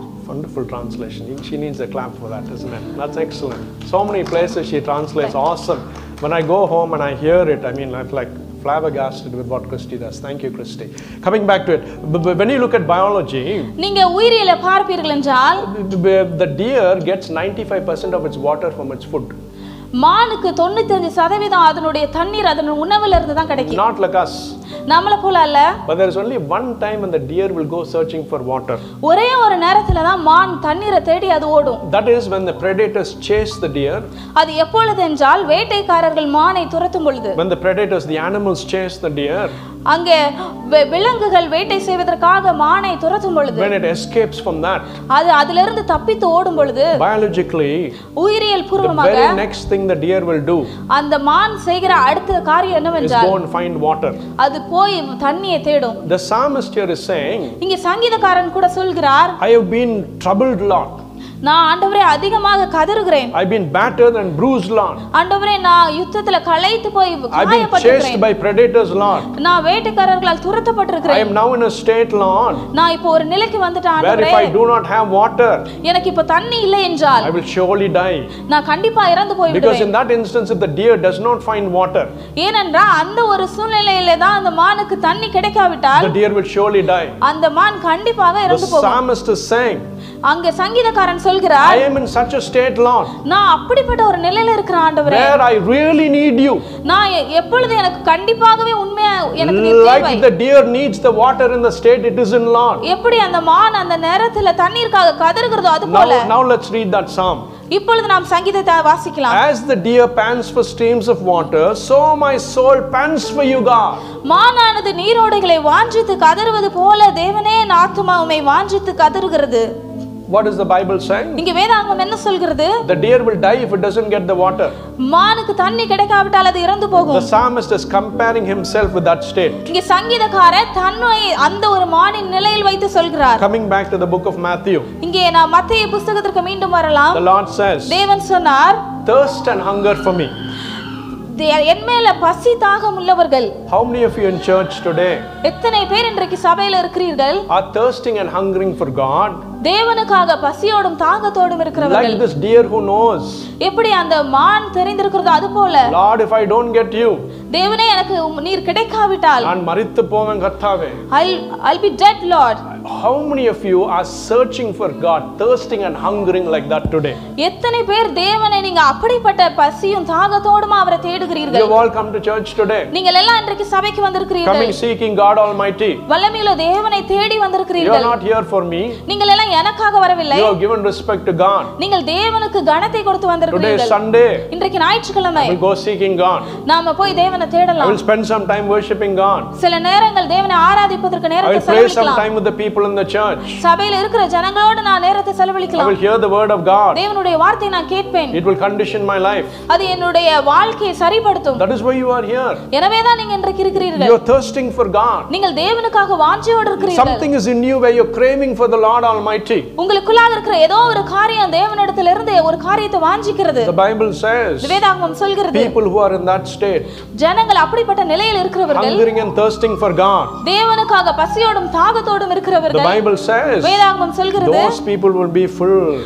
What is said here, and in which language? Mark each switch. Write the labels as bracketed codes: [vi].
[en] wonderful translation she needs a clap for that isn't it that's excellent so many places she translates awesome when I go home and I hear it I mean like flabbergasted with what Christy does thank you Christy coming back to it when you look at biology [ta] நீங்க உயிரியல பார்ப்பீர்கள் என்றால் [en] the deer gets 95% of its water from its food [ta] மானுக்கு 95% அதனுடைய தண்ணீர் அதன் உணவில இருந்து தான் கிடைக்கும் [en] not like us [ta] நம்மள போல அல்ல [en] but there is only one time when the deer will go searching for water [ta] ஒரே ஒரு நேரத்துல தான் மான் தண்ணீரை தேடி அது ஓடும் [en] that is when the predators chase the deer [ta] அது எப்பொழுது என்றால் வேட்டைக்காரர்கள் மானை துரத்தும் பொழுது [en] when the predators the animals chase the deer [ta] அங்கே விலங்குகள் வேட்டை செய்வதற்காக மானை துரத்தும் பொழுது [en] when it escapes from that [ta] அது அதிலிருந்து தப்பித்து ஓடும் பொழுது [en] biologically [ta] உயிரியல் பூர்வமாக [en] the very next thing the deer will do [ta] அந்த மான் செய்கிற அடுத்த காரியம் என்னவென்றால் [en] is go and find water [ta] அது போய் தண்ணியை தேடும் [en] the psalmist here is saying [ta] இங்க சங்கீதக்காரன் கூட சொல்கிறார் [en] I have been troubled lot [ta] நான் ஆண்டவரே அதிகமாக கதறுகிறேன் [en] I've been battered and bruised lord [ta] ஆண்டவரே நான் யுத்தத்துல களைத்து போய் காயப்பட்டிருக்கிறேன் [en] I've been chased by predators lord [ta] நான் வேட்டைக்காரர்களால் துரத்தப்பட்டிருக்கிறேன் [en] I am now in a state lord [ta] நான் இப்ப ஒரு நிலைக்கு வந்துட்டேன் ஆண்டவரே [en] where if I do not have water [ta] எனக்கு இப்ப தண்ணி இல்லை என்றால் [en] I will surely die [ta] நான் கண்டிப்பா இறந்து போய்விடுவேன் [en] because in that instance if the deer does not find water [ta] ஏனென்றால் அந்த ஒரு சூழ்நிலையிலே தான் அந்த மானுக்கு தண்ணி கிடைக்காவிட்டால் [en] the deer will surely die [ta] அந்த மான் கண்டிப்பாக இறந்து போகும் [en] the psalmist is saying [ta] அங்க சங்கீதக்காரன் சொல்கிறார் [en] I am in such a state lord [ta] நான் அப்படிப்பட்ட ஒரு நிலையில இருக்கிறேன் ஆண்டவரே [en] where I really need you [ta] நான் எப்பொழுது எனக்கு கண்டிப்பாகவே உண்மையா எனக்கு நீ தேவை [en] like the deer needs the water in the state it is in lord [ta] எப்படி அந்த மான் அந்த நேரத்துல தண்ணீருக்காக கதறுகிறதோ அது போல [en] now let's read that psalm [ta] இப்பொழுது நாம் சங்கீதத்தை வாசிக்கலாம் [en] as the deer pants for streams of water so my soul pants for you god [ta] மானானது நீரோடைகளை வாஞ்சித்து கதறுவது போல தேவனே என் ஆத்துமா உமை வாஞ்சித்து கதறுகிறது [en] What is the Bible saying? [ta] இங்க வேதாகமம் என்ன சொல்கிறது? [en] The deer will die if it doesn't get the water. [ta] மானுக்கு தண்ணி கிடைக்காவிட்டால் அது இறந்து போகும். [en] The psalmist is comparing himself with that state. [ta] இங்க சங்கீதக்காரர் தன்னை அந்த ஒரு மானின் நிலையில் வைத்து சொல்கிறார். [en] Coming back to the book of Matthew. [ta] இங்க நாம் மத்தேயு புத்தகத்துக்கு மீண்டும் வரலாம். [en] The Lord says. [ta] தேவன் சொன்னார். [en] Thirst and hunger for me. [ta] என்மேல பசி தாகம் உள்ளவர்கள் [en] How many of you in church today? [ta] எத்தனை பேர் இன்றைக்கு சபையில இருக்கிறீர்கள்? [en] Are thirsting and hungering for God? [ta] தேவனுக்காக பசியோடும் தாகத்தோடும் இருக்கிறவர்கள் [en] Like this deer who knows. [ta] எப்படி அந்த மான் தெரிந்திருக்கிறது அதுபோல [en] Lord if I don't get you. [ta] தேவனே எனக்கு நீர் கிடைக்காவிட்டால் நான் மரித்து போவேன் கர்த்தாவே. [en] I'll be dead Lord. How many of you are searching for God thirsting and hungering like that today? [ta] எத்தனை பேர் தேவனை நீங்க அப்படிப்பட்ட பசியும் தாகத்தோடும் அவரை தேடுகிறீர்கள்? [en] You all come to church today. [ta] நீங்கள் எல்லாம் இன்றைக்கு சபைக்கு வந்திருக்கிறீர்கள். [en] Coming seeking God almighty. [ta] வல்லமையுள்ள தேவனை தேடி வந்திருக்கிறீர்கள். [en] You are not here for me. [ta] நீங்கள் எல்லாம் எனக்காக வரவில்லை. [en] You have given respect to God. [ta] நீங்கள் தேவனுக்கு கனத்தை கொடுத்து வந்திருக்கிறீர்கள். [en] Today is Sunday. [ta] இன்றைக்கு ஞாயிற்றுக்கிழமை. [en] We go seeking God. [ta] நாம போய் தேவனை தேடலாம். [en] I will spend some time worshiping God. [ta] சில நேரங்கள் தேவனை ஆராதிப்பதற்கு நேரத்தை செலவழிக்கலாம். [en] I will pray some time with the people in the church. [ta] சபையில் இருக்கிற ஜனங்களோடு நான் நேரத்தை செலவழிக்கலாம். [en] I will hear the word of God. [ta] தேவனுடைய வார்த்தையை நான் கேட்பேன். [en] It will condition my life. [ta] அது என்னுடைய வாழ்க்கையை சரிபடுத்தும். [en] That is why you are here. [ta] எனவே தான் நீங்க இன்றைக்கு இருக்கிறீர்கள். [en] You are thirsting for God. [ta] நீங்கள் தேவனுக்காக வாஞ்சையோடு இருக்கிறீர்கள். [en] Something is in you where you are craving for the Lord Almighty. [ta] உங்களுக்குள்ள இருக்கிற ஏதோ ஒரு காரியம் தேவனிடத்தில் இருந்து ஒரு காரியத்தை வாஞ்சிக்கிறது. [en] The Bible says. [ta] வேதாகமம் சொல்கிறது. [en] People who are in that state. [ta] ஜனங்கள் அப்படிப்பட்ட நிலையில் இருக்கிறவர்கள். [en] Hungering and thirsting for God. [ta] தேவனுக்காக பசியோடும் தாகத்தோடும் இருக்கிறவர்கள். [en] The Bible says. [ta] வேதாகமம் சொல்கிறது. [en] Those people will be full.